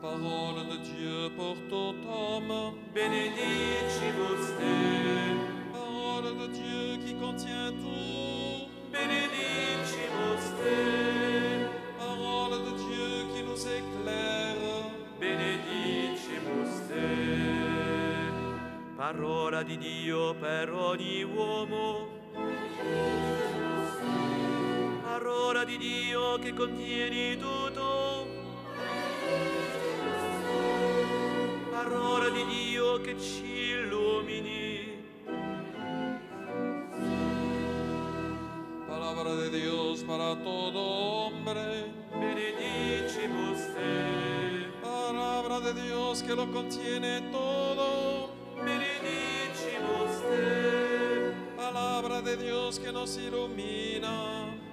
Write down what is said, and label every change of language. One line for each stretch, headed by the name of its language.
French: Parole de Dieu pour tout homme,
Latin: benedicimus te.
French: De Dieu qui contient tout,
Latin: benedicimus te.
French: Parole de Dieu qui nous éclaire,
Latin: benedicimus te.
Italian: Parola di Dio per ogni uomo,
Latin: benedicimus te.
Italian: Parola di Dio che contiene tutto,
Latin: benedicimus te.
Italian: Parola di Dio che ci illumini.
Spanish: Palabra de Dios para todo hombre,
Latin: benedicimus te.
Spanish: Palabra de Dios que lo contiene todo,
Latin: benedicimus te.
Spanish: Palabra de Dios que nos ilumina,